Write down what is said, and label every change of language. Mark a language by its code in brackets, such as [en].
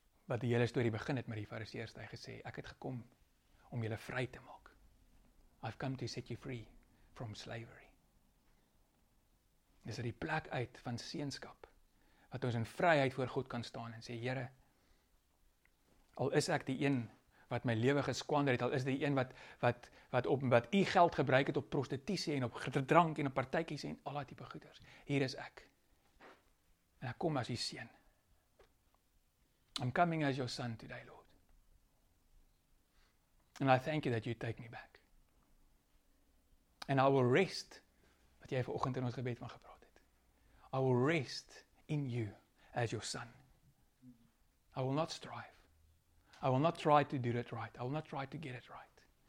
[af] Wat die hele story begin het met die fariseers, hy gesê, ek het gekom om julle vry te maak. [en] I've come to set you free from slavery. [af] Dis die plek uit van seenskap, wat ons in vryheid voor God kan staan en sê, Here, al is ek die een wat my lewe geskwander het, al is die een wat u geld gebruik het op prostitusie en op gedrank en op partytjies en al die type goeders. Hier is ek. En ek kom as u seun. [en] I'm coming as your son today, Lord. And I thank you that you take me back. And I will rest, [af] wat jy vanoggend in ons gebed van gepraat het. [en] I will rest in you as your son. I will not strive. I will not try to do it right. I will not try to get it right.